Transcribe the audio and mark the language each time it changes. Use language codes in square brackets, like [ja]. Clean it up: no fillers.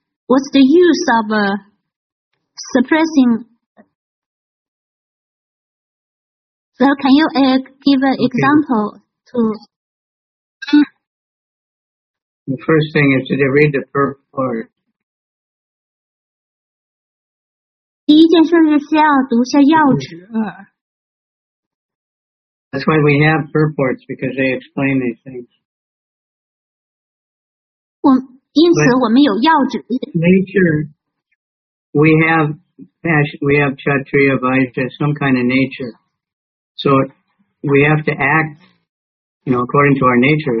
[en] What's the use of suppressing? So can you give an example to... The first thing is to read the purport. [zh] 第一件事是需要读一下要旨。 [en] That's why we have purports, because they explain these things. [zh] 因此我们有要旨。 [en] Nature, we have Kshatriya Vaishya, some kind of nature. So we have to act, you know, according to our nature.